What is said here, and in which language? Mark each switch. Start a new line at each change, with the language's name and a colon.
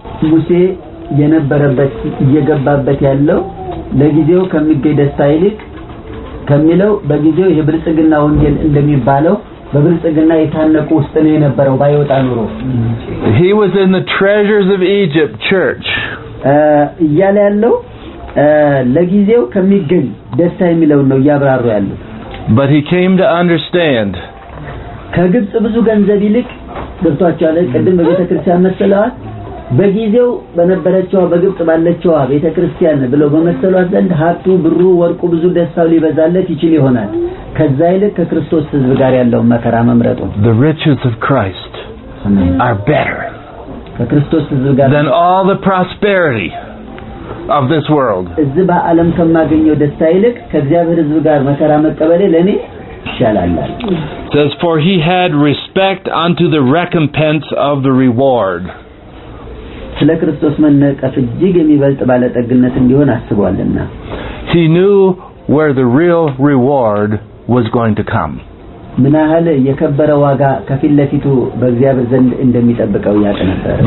Amharic: ሙሴ የነበረበት የገባበት ያለው ለጊዜው ከሚገኝ ደስታ ይልቅ ከሚለው በጊዜው የብልጽግና ወንጌል እንደሚባለው በብልጽግና የታነቁ ውስጥ ነው የነበረው ባይወጣ ኑሮ
English: He was in the treasures of Egypt church
Amharic: ያለ ያለው ለጊዜው ከሚገኝ ደስታ የሚለው ነው ያብራሩ ያለው
English: But he came to understand
Amharic: ከግብጽ ብዙ ገንዘብ ይልቅ ገብቷቸዋል ቀድም በቤተክርስቲያን መሰለዋል በጊዜው በነበረቻው በግብጽ ባለቻው ቤተክርስቲያን ብለው በመሰለዋት ዘንድ ሀብቱ ብሩ ወርቁ ብዙ ደስታው ሊበዛለት ይችል ይሆናል ከዛ ይልቅ ከክርስቶስ ህዝብ ጋር ያለው መከራ መምረጡ
English: The riches of Christ are better
Amharic: ከክርስቶስ ህዝብ ጋር
English: than all the prosperity of this world
Amharic: እዚህ በዓለም ከማገኘው ደስታ ይልቅ ከእግዚአብሔር ህዝብ ጋር መከራ መቀበሌ ለኔ ይሻላል
English: Says for he had respect unto the recompense of the reward
Amharic: ስለ ክርስቶስ መነቀፍ እጅግ የሚበልጥ ባለጠግነት እንዲሆን አስቧልና
English: He knew where the real reward was going to come.
Amharic: ምን አለ የከበረ ዋጋ ከፊት ለፊቱ በእግዚአብሔር ዘንድ እንደሚጠብቀው ያቀ ነበር